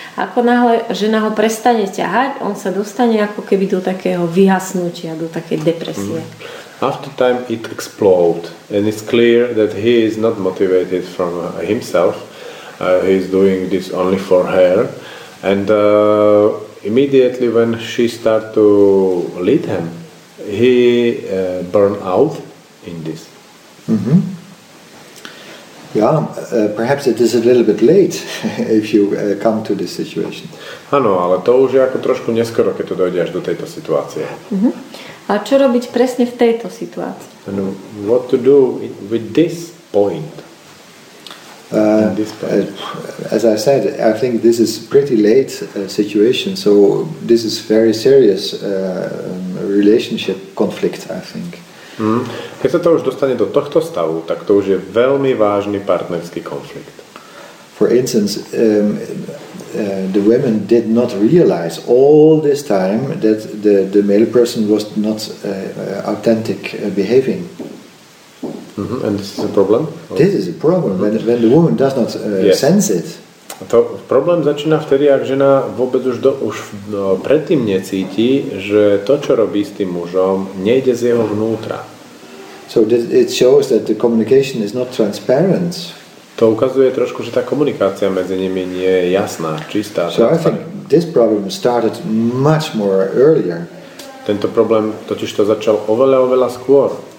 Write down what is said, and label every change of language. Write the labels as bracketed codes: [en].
[sk] Ako náhle žena ho prestane ťahať, on sa dostane ako keby do takého vyhasnutia, do takej depresie. Mm-hmm. [en] After time it explodes, and it's clear that he is not motivated from himself, he is doing this only for her, and immediately when she start to lead him, he burn out in this. Mm-hmm. Yeah, perhaps it is a little bit late if you come to this situation. [sk] Ano, ale to už je ako trošku neskoro, keď to dojde až do tejto situácie. Uh-huh. A čo robiť presne v tejto situácii? [en] And what to do with this point? As I said, I think this is pretty late situation, so this is very serious relationship conflict, I think. [sk] Mm. Keď sa to už dostane do tohto stavu, tak to už je veľmi vážny partnerský konflikt. [en] For instance, the women did not realize all this time that the male person was not authentic behaving. Mm-hmm. And this is a problem? This is a problem, mm-hmm. when the woman does not sense it. [sk] To problém začína vtedy, ak žena vôbec už, predtým necíti, že to, čo robí s tým mužom, nejde z jeho vnútra. [en] So it shows that the communication is not transparent. [sk] To ukazuje trošku, že tá komunikácia medzi nimi nie je jasná, čistá. [en] So I think this problem started much more earlier. [sk] Tento problém totiž to začal oveľa, oveľa skôr.